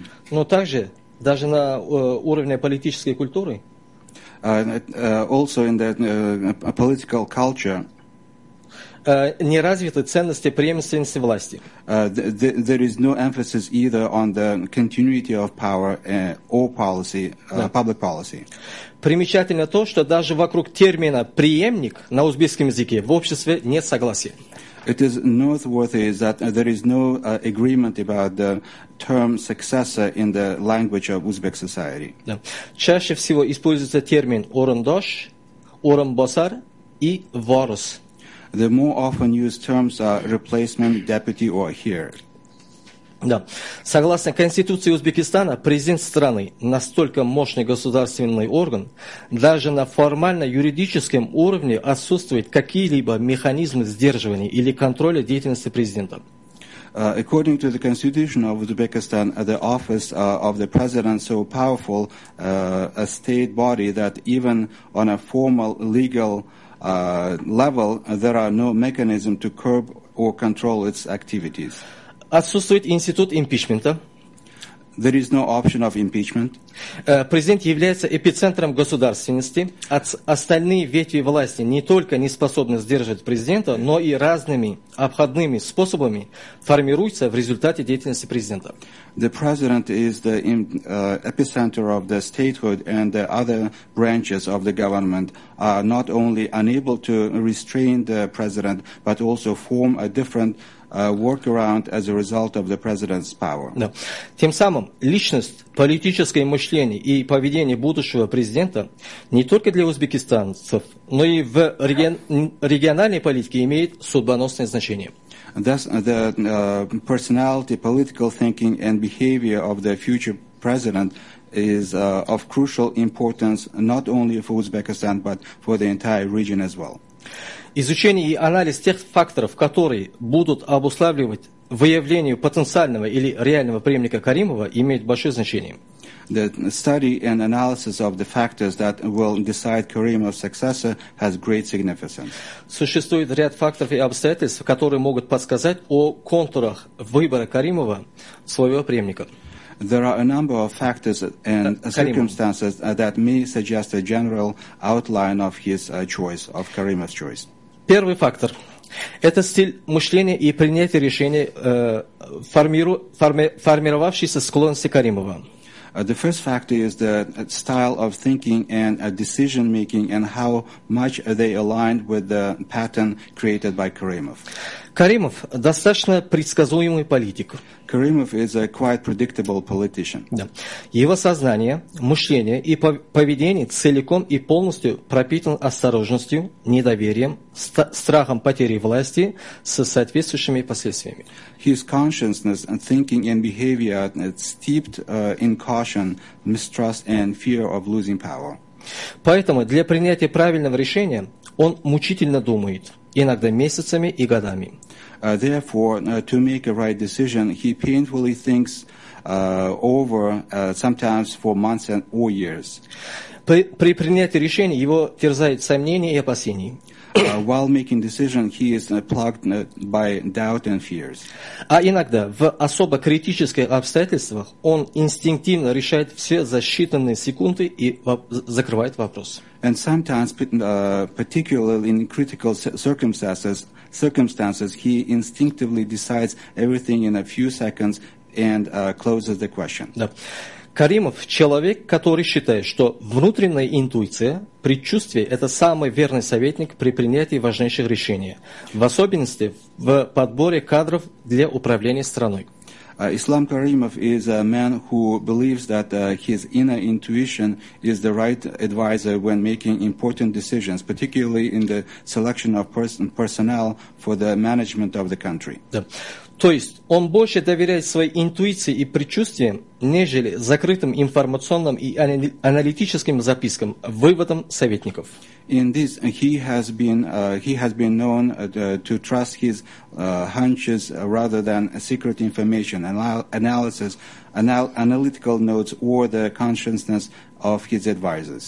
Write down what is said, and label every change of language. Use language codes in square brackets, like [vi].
[ru] Но также, даже на уровне политической культуры. [en] Also in the political culture. [ru] Не развиты ценности преемственности власти. [en] There is no emphasis either on the continuity of power or policy, public policy. [ru] Примечательно то, что даже вокруг термина «преемник» на узбекском языке в обществе нет согласия. [en] It is noteworthy that there is no agreement about the term successor in the language of Uzbek society. [ru] Да. Чаще всего используется термин «орындаш», «орынбасар» и «варус». [en] The more often used terms are replacement, deputy, or heir. [ru] Да. Согласно Конституции Узбекистана, президент страны – настолько мощный государственный орган, даже на формально-юридическом уровне отсутствуют какие-либо механизмы сдерживания или контроля деятельности президента. [en] According to the Constitution of Uzbekistan, the office of the president is so powerful, a state body, that even on a formal legal level, there are no mechanism to curb or control its activities. [ru] Отсутствует институт импичмента. [en] There is no option of impeachment. [ru] Президент является эпицентром государственности. Остальные ветви власти не только не способны сдерживать президента, но и разными обходными способами формируются в результате деятельности президента. [en] The president is the epicenter of the statehood, and the other branches of the government are not only unable to restrain the president, but also form a different workaround as a result of the president's power. [ru] Да. Тем самым, личность, политическое мышление и поведение будущего президента не только для узбекистанцев, но и в региональной политике имеет судьбоносное значение. [en] Thus, the personality, political thinking and behavior of the future president is of crucial importance not only for Uzbekistan, but for the entire region as well. [ru] Изучение и анализ тех факторов, которые будут обуславливать выявление потенциального или реального преемника Каримова, имеет большое значение. [en] The study and analysis of the factors that will decide Karimov's successor has great significance. [ru] Существует ряд факторов и обстоятельств, которые могут подсказать о контурах выбора Каримова своего преемника. [en] There are a number of factors and circumstances that may suggest a general outline of his choice, of Karima's choice. [ru] Первый фактор. Это стиль мышления и принятие решений, формировавшийся склонности Каримова. [en] The first factor is the style of thinking and decision making and how much they align with the pattern created by Karimov. [ru] Каримов достаточно предсказуемый политик. [en] Karimov is a quite predictable politician. [ru] Да. Его сознание, мышление и поведение целиком и полностью пропитан осторожностью, недоверием, страхом потери власти с соответствующими последствиями. [en] His consciousness and thinking and behavior are steeped in caution, mistrust and fear of losing power. [ru] Поэтому для принятия правильного решения он мучительно думает. Иногда месяцами и годами. [en] Therefore, to make a right decision, he painfully thinks over sometimes for months and or years. [ru] При принятии решения его терзают сомнения и опасения. [en] While making decision, he is plagued by doubt and fears. [ru] А иногда в особо критических обстоятельствах он инстинктивно решает все за считанные секунды и закрывает вопрос. [en] And sometimes, particularly in critical circumstances, he instinctively decides everything in a few seconds and closes the question. [ru] Да. Каримов – человек, который считает, что внутренняя интуиция, предчувствие – это самый верный советник при принятии важнейших решений, в особенности в подборе кадров для управления страной. [en] Ислам Каримов – is a man who believes that his inner intuition is the right advisor when making important decisions, particularly in the selection of personnel for the management of the country. [ru] Да. То есть он больше доверяет своей интуиции и предчувствиям, нежели закрытым информационным и аналитическим запискам, выводам советников. [en] In this, he has been known to trust his hunches rather than secret information, analysis, analytical notes or the consciousness of his advisors.